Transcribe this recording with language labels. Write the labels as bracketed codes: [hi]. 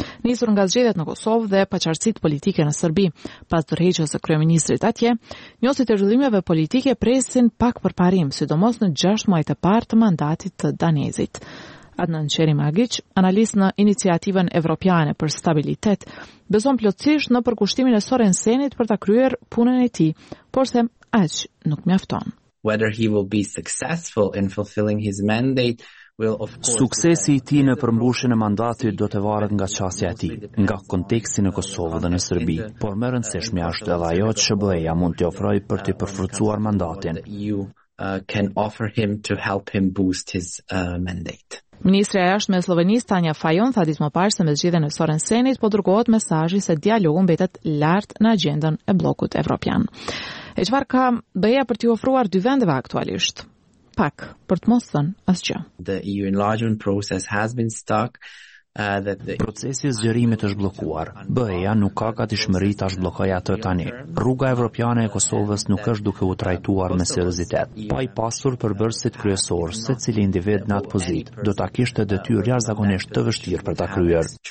[sq] Nisur nga zgjedhjet në Kosovë dhe paqartësitë politike në Serbi, pas tërheqjes së kryeministrit atje, njohësit e zhvillimeve politike presin pak përparim, sidomos në 6 muajt e parë të mandatit të danezit. Adnan Qeri Magic, analist në iniciativën evropiane për stabilitet, beson plotësisht në përkushtimin e Sorensenit për ta kryer punën e tij, por se aq nuk mjafton. [en] Whether he will be successful in fulfilling his mandate will of course. [sq] Suksesi i tij në përmbushjen e mandatit do të varet nga çështja e tij, nga konteksti në Kosovë dhe në Serbi, por më rëndësishmja është edhe ajo që BE-ja mund t'i ofrojë për të përforcuar mandatin. [en] Can offer him to help him boost his mandate. [sq] Ministrja e jashtme e Slovenisë Tanja Fajon tha ditë më parë se me zgjidhjen e Sorensenit po dërgohet mesazhi se dialogu mbetet lart në agjendën e bllokut evropian. E çfarë ka BE-ja për t'i ofruar dy vendeve aktualisht? Pak, për të mos thënë asgjë. [en] The EU enlargement process has been stuck. [sq] Procesi i zgjerimit është bllokuar. BE-ja nuk ka gatishmëri ta zhbllokojë atë tani. Rruga evropiane e Kosovës nuk është duke u trajtuar me seriozitet. Pa i pasur përbërësit kryesor, secili individ në atë pozitë do ta kishte detyrë jashtëzakonisht të vështirë për ta kryer.